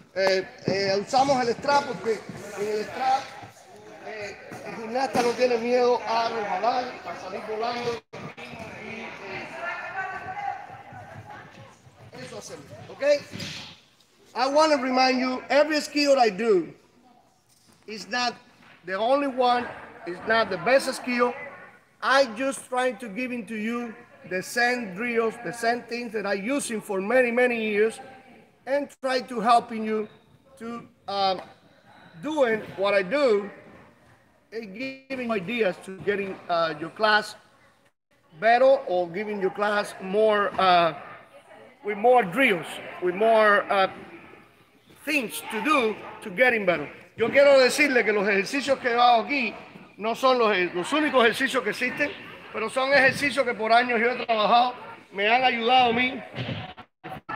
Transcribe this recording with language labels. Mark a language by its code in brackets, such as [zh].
[es] Usamos el strap porque en el strap el gimnasta no tiene miedo a resbalar, a salir volando. [en] Okay, I want to remind you, every skill I do is not the only one, is not the best skill. I just trying to give into you the same drills, the same things that I using for many, many years, and try to helping you to doing what I do and giving ideas to getting your class better or giving your class more with more drills, with more things to do to getting better. [es] Yo quiero decirle que los ejercicios que hago aquí no son los únicos ejercicios que existen, pero son ejercicios que por años yo he trabajado, me han ayudado a mí.